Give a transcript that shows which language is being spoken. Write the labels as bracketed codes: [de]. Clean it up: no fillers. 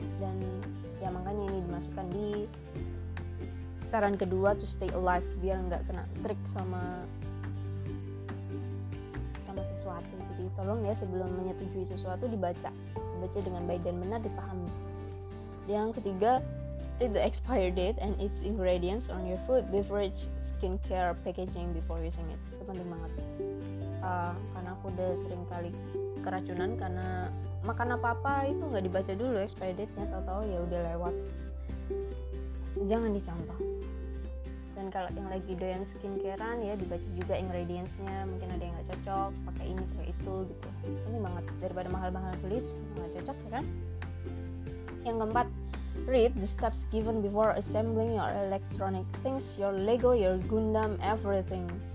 [id] Dan ya makanya ini dimasukkan di saran kedua, [en] to stay alive, [id] biar nggak kena trik sama sesuatu. Jadi tolong ya sebelum menyetujui sesuatu, dibaca dengan baik dan benar, dipahami. Yang ketiga, [en] read the expired date and its ingredients on your food, beverage, skincare, packaging before using it. [id] Itu penting banget. Karena aku udah sering kali keracunan karena makan apa-apa itu nggak dibaca dulu expired date-nya, tahu-tahu ya udah lewat. Jangan dicampak. Dan kalau yang lagi doyan skincarean ya, dibaca juga ingredients-nya, mungkin ada yang nggak cocok pakai ini pakai itu gitu. Ini banget, daripada mahal-mahal beli nggak cocok ya kan. Yang keempat, [en] read the steps given before assembling your electronic things, your Lego, your Gundam, everything.